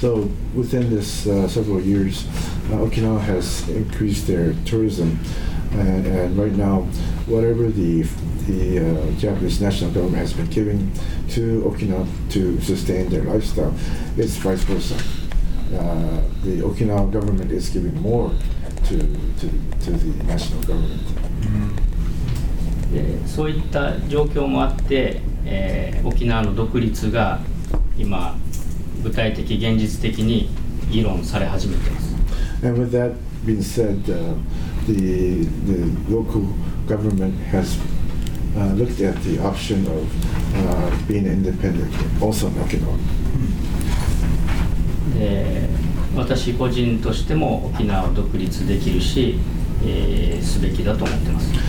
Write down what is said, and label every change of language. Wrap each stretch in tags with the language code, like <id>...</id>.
<en>So within this several years, Okinawa has increased their tourism, and right now, whatever the Japanese national government has been giving to Okinawa to sustain their lifestyle, it's vice versa. The Okinawa government is giving more to the national government.</en> <ja>そういった状況もあって、沖縄の独立が今具体的現実的に議論され始めています。</ja> <en>And with that being said, the local government haslooked at the option of being independent also in Okinawa.</en> <ja>で、私個人としても沖縄を独立できるし、すべきだと思ってます。</ja>